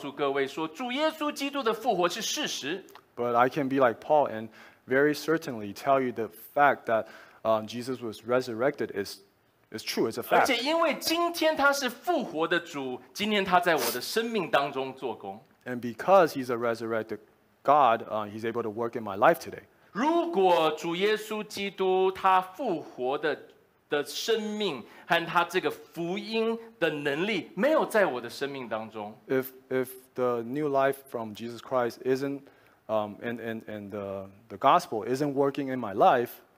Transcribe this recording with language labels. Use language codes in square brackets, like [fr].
[zh] 但是我可以跟保罗一样，我可以很确信的告诉各位说，主耶稣基督的复活是事实。 [en] But I can be like Paul and very certainly tell you the fact that Jesus was resurrected is true, it's a fact. [zh] 而且因为今天他是复活的主，今天他在我的生命当中做工。 [en] And because he's a resurrected God, he's able to work in my life today. [zh] 如果主耶稣基督他复活的生命和他这个福音的能力没有在我的生命当中。 [en] If the new life from Jesus Christ isn't and the gospel isn't working in my life.